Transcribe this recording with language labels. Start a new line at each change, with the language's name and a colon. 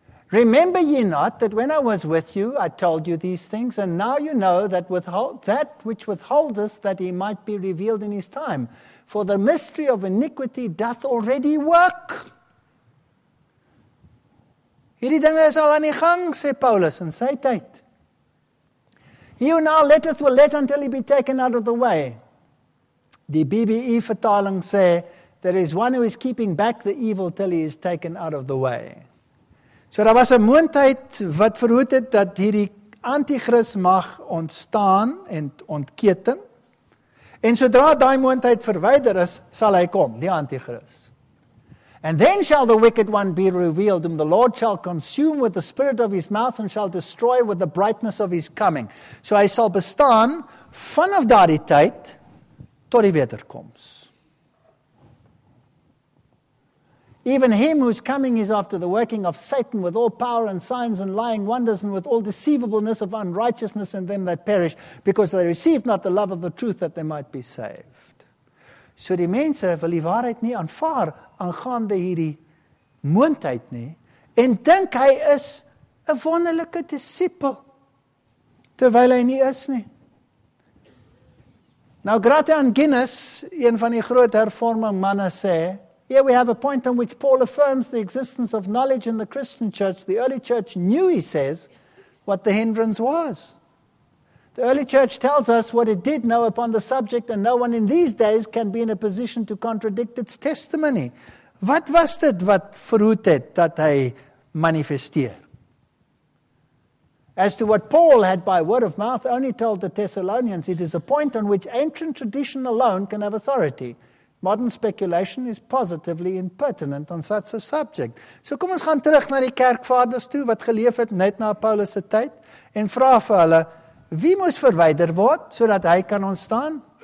English: Remember ye not that when I was with you, I told you these things, and now you know that that which withholdeth, that he might be revealed in his time. For the mystery of iniquity doth already work.
Afrikaans: Hierdie dinge is al aan die gang, sê Paulus, in sy tyd.
English: He who now letteth will let until he be taken out of the way.
Afrikaans: Die BBE-vertaling sê,
English: there is one who is keeping back the evil till he is taken out of the way.
Afrikaans: So daar was 'n moontheid wat verhoed het dat hierdie antichris mag ontstaan en ontketen. En sodra daai moontheid verwyder is, sal hy kom, die antichris.
English: And then shall the wicked one be revealed, whom the Lord shall consume with the spirit of his mouth and shall destroy with the brightness of his coming.
Afrikaans: So hy sal bestaan vanaf daardie tyd tot die wederkoms.
English: Even him whose coming is after the working of Satan with all power and signs and lying wonders and with all deceivableness of unrighteousness in them that perish, because they received not the love of the truth that they might be saved.
Afrikaans: So die mense wil die waarheid nie aanvaar aangaande hierdie moontheid nie en dink hy is 'n wonderlike disipel terwyl hy nie is nie. Nou Grattan Guinness, een van die groot hervorming manne sê,
English: here we have a point on which Paul affirms the existence of knowledge in the Christian church. The early church knew, he says, what the hindrance was. The early church tells us what it did know upon the subject, and no one in these days can be in a position to contradict its testimony.
Afrikaans: Wat was dit wat verhoed het dat hy manifesteer?
English: As to what Paul had by word of mouth only told the Thessalonians, it is a point on which ancient tradition alone can have authority. Modern speculation is positively impertinent on such a subject.
Afrikaans: So kom ons gaan terug na die kerkvaders toe wat geleef het net na Paulus se tyd en vra vir hulle wie moes verwyder word sodat hy kan ontstaan?